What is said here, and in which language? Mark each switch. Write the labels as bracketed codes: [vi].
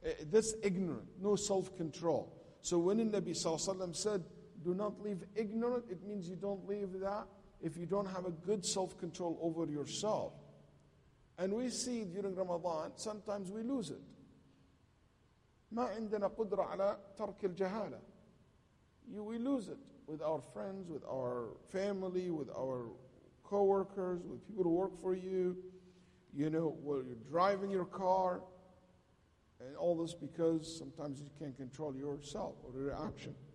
[en] This ignorant, no self-control. So when the Nabi Sallallahu Alaihi Wasallam said, do not leave ignorant, it means you don't leave that if you don't have a good self-control over yourself. And we see during Ramadan, sometimes we lose it. [ar] ما عندنا قدرة على ترك الجهالة. [en] You will lose it with our friends, with our family, with our co-workers, with people who work for you. You know, while you're driving your car, and all this because sometimes you can't control yourself or your reaction.